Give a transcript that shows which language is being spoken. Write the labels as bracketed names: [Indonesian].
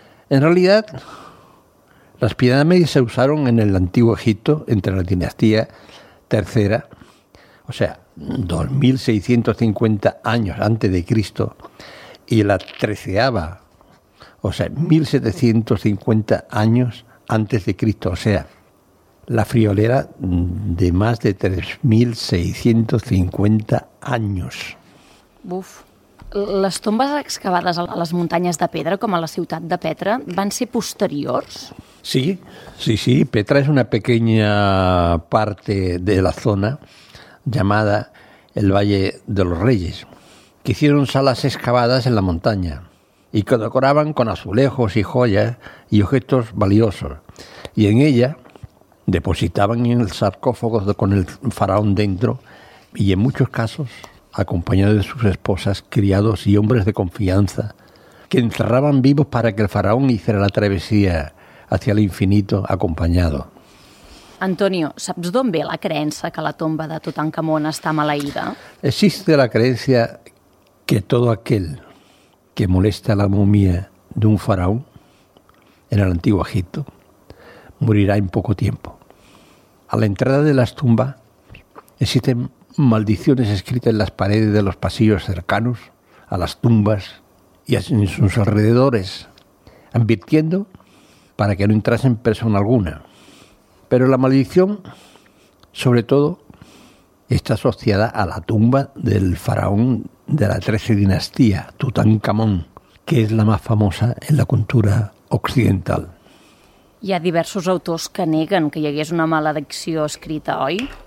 [Spanish] En realidad, las pirámides se usaron en el antiguo Egipto entre la dinastía tercera, o sea, 2.650 años antes de Cristo, y la treceava, o sea, 1.750 años antes de Cristo, o sea, la friolera de más de 3.650 años. Buf. [Catalan] Les tombes excavades a les muntanyes de Petra, com a la ciutat de Petra, van ser posteriors? Sí, sí, sí. [Spanish] Petra és una pequeña parte de la zona llamada el Valle de los Reyes, que hicieron salas excavadas en la montaña. y que decoraban con azulejos y joyas y objetos valiosos. Y en ella depositaban en el sarcófago con el faraón dentro y en muchos casos acompañado de sus esposas, criados y hombres de confianza que encerraban vivos para que el faraón hiciera la travesía hacia el infinito acompañado. [Catalan] Antonio, ¿saps d'on ve la creença que la tomba de Tutankamón està maleïda? [Spanish] Existe la creencia que todo aquel que molesta la momia de un faraón en el antiguo Egipto morirá en poco tiempo. A la entrada de las tumbas existen maldiciones escritas en las paredes de los pasillos cercanos a las tumbas y en sus alrededores, advirtiendo para que no entrasen persona alguna. Pero la maldición, sobre todo, está asociada a la tumba del faraón de la 13 dinastía, Tutankamón, que es la más famosa en la cultura occidental. [Catalan] Hi ha diversos autors que neguen que hi hagués una maledicció escrita, oi?